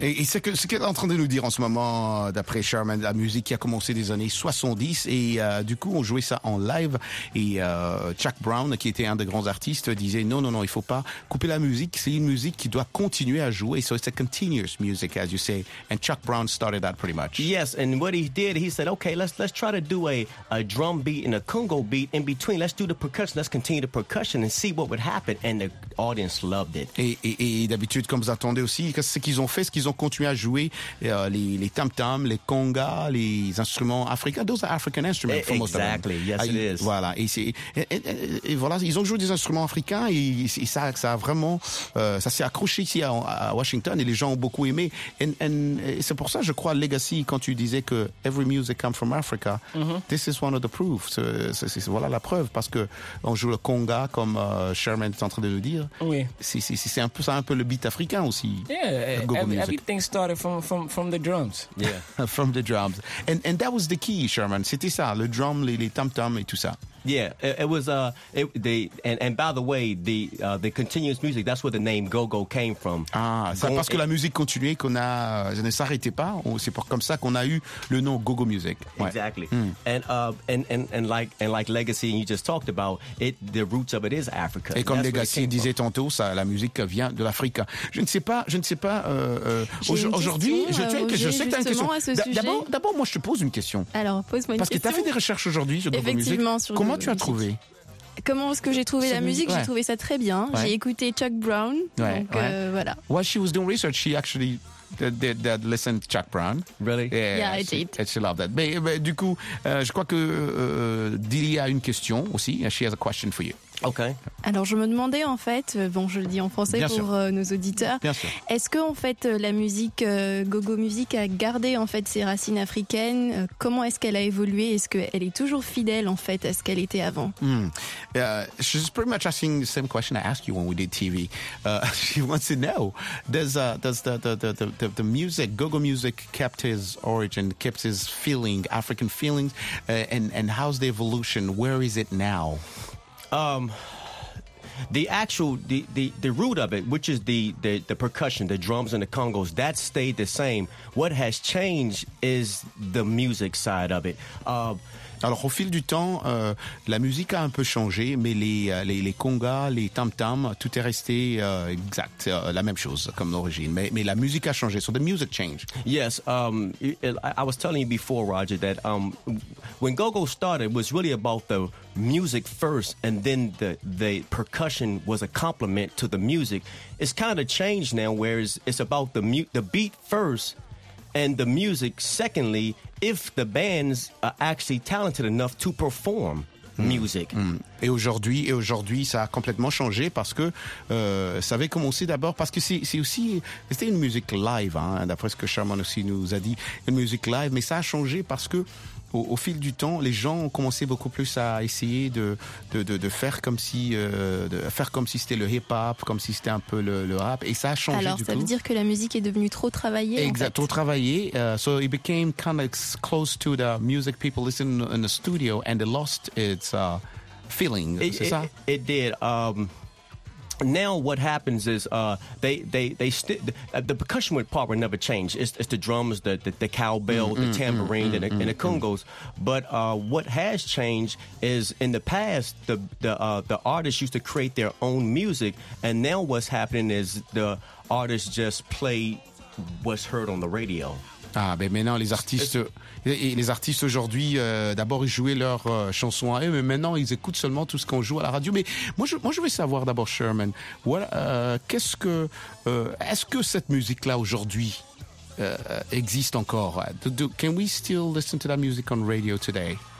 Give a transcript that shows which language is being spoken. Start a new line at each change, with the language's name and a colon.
French: Et ce qu'elle est en train de nous dire en ce moment, d'après Sherman, la musique qui a commencé des années 70, et du coup, on jouait ça en live, et Chuck Brown, qui était un des grands artistes, disait, non, il ne faut pas couper la musique, c'est une musique qui doit continuer à jouer,
English: so it's a continuous music, as you say, and Chuck Brown started that pretty much. Yes, and what he did, he said, okay, let's try to do a drum beat and a congo beat in between, let's do the percussion, let's continue the percussion, and see what would happen, and the audience loved it.
French: Et d'habitude, comme vous attendez aussi, ce qu'ils ont fait, c'est qu'ils ont continué à jouer les tam-tams, les congas, les instruments africains.
English: Those are African instruments, for exactly. most of them. Exactly, yes, it is.
French: Voilà, et voilà, ils ont joué des instruments africains, et ça a vraiment, ça s'est accroché ici à Washington, et les gens ont beaucoup aimé. Et c'est pour ça, je crois, Legacy, quand tu disais que
English: every music comes from Africa, mm-hmm. this is one of the proofs.
French: Voilà la preuve, parce qu'on joue le conga comme Sherman est en train de le dire. Oui. C'est un peu ça, un peu le beat africain aussi.
English: Yeah, everything started from the drums. Yeah, from the drums. And that was the key, Sherman.
French: C'était ça, le drum, les tam-tams et tout ça.
English: Yeah, it was by the way, the continuous music, that's where the name go-go came from.
French: Ah, c'est parce que la musique continuait qu'on a, je ne s'arrêtait pas, c'est pour comme ça qu'on a eu le nom go-go music. Ouais. Exactly. Mm.
English: And like Legacy, and you just talked about it, the roots of it is Africa.
French: Et comme Legacy disait tantôt, ça, la musique vient de l'Afrique. Je ne sais pas, aujourd'hui, je sais que t'as une question. À ce sujet. D'abord, moi, je te pose une question. Alors, pose-moi une question. Parce que t'as fait des recherches aujourd'hui sur go-go music. Effectivement, sur comment tu as trouvé? Comment est-ce que j'ai trouvé la musique? J'ai trouvé ça très bien. Ouais. J'ai écouté Chuck Brown. Ouais. Donc ouais. Voilà.
English: While she was doing research, she actually did listen to Chuck Brown. Really? Yeah, I did. And she loved that.
French: Mais du coup, je crois que Dilly a une question aussi.
English: She has a question for you. Okay.
French: Alors je me demandais en fait, bon je le dis en français bien pour nos auditeurs, bien sûr. Est-ce que en fait la musique go-go music a gardé en fait ses racines africaines? Comment est-ce qu'elle a évolué? Est-ce qu'elle est toujours fidèle en fait à ce qu'elle était avant? Mm.
English: She's pretty much asking the same question I asked you when we did TV. She wants to know, does the music, go-go music, kept his origin, kept his feeling, African feelings, and how's the evolution? Where is it now? The root of it, which is the percussion, the drums and the congos, that stayed the same. What has changed is the music side of it.
French: Alors au fil du temps, la musique a un peu changé, mais les congas, les tam-tams, tout est resté exact, la même chose comme l'origine. Mais la musique a changé.
English: So the music changed. Yes, I was telling you before, Roger, that when go-go started, it was really about the music first, and then the percussion was a complement to the music. It's kind of changed now, where it's about the beat first. And the music, secondly, if the bands are actually talented enough to perform music. Mm.
French: Et aujourd'hui, ça a complètement changé parce que ça avait commencé d'abord parce que c'était une musique live, hein, d'après ce que Sherman aussi nous a dit, une musique live, mais ça a changé parce que au fil du temps, les gens ont commencé beaucoup plus à essayer de faire comme si c'était le hip-hop, comme si c'était un peu le rap, et ça a changé. Alors, du coup, ça veut dire que la musique est devenue trop travaillée. Exact, en fait. Trop travaillée.
English: So it became kind of close to the music people listen in the studio, and it lost its feeling. It did. Now what happens is the percussion part would never change. It's the drums, the cowbell, the tambourine, and the congos. But what has changed is in the past the artists used to create their own music, and now what's happening is the artists just play what's heard on the radio.
French: Ah, ben maintenant les artistes aujourd'hui, d'abord ils jouaient leurs chansons à eux, mais maintenant ils écoutent seulement tout ce qu'on joue à la radio. Mais moi je veux savoir d'abord, Sherman, est-ce que cette musique là aujourd'hui existe encore?
English: Can we still listen to that music on radio today?